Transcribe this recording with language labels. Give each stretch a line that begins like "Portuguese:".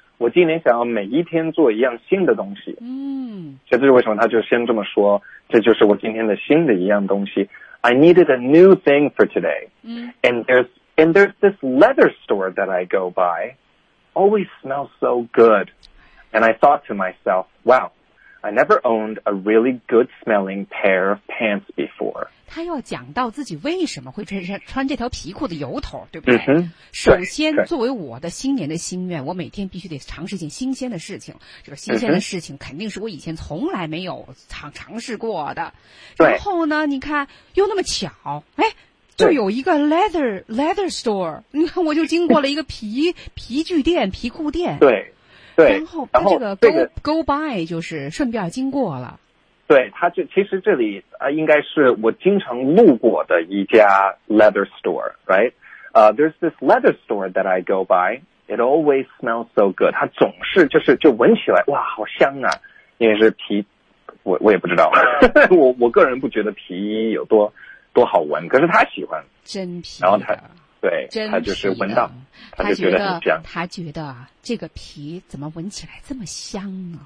Chinese: 我今年想要每一天做一样新的东西，嗯，这就是为什么他就先这么说，这就是我今天的新的一样东西。
English: I needed a new thing for today. 嗯，and there's this leather store that I go by, always smells so good, and I thought to myself, wow, I never owned a really good smelling pair of pants before.
Chinese: 他要讲到自己为什么会穿这条皮裤的由头，对不对？首先，作为我的新年的心愿，我每天必须得尝试一件新鲜的事情。这个新鲜的事情肯定是我以前从来没有尝试过的。然后呢，你看又那么巧，哎，就有一个 leather store， 你看我就经过了一个皮具店、皮裤店。对，然后这个 go by 就是顺便经过了。对，他就其实这里应该是我经常路过的一家 leather store, right?
English: There's this leather store that I go by. It always smells so good.
Chinese: 它总是就闻起来哇，好香啊！因为是皮，我也不知道，我个人不觉得皮衣有多好闻，可是他喜欢真皮，然后他就是闻到，他就觉得很香，他觉得这个皮怎么闻起来这么香呢？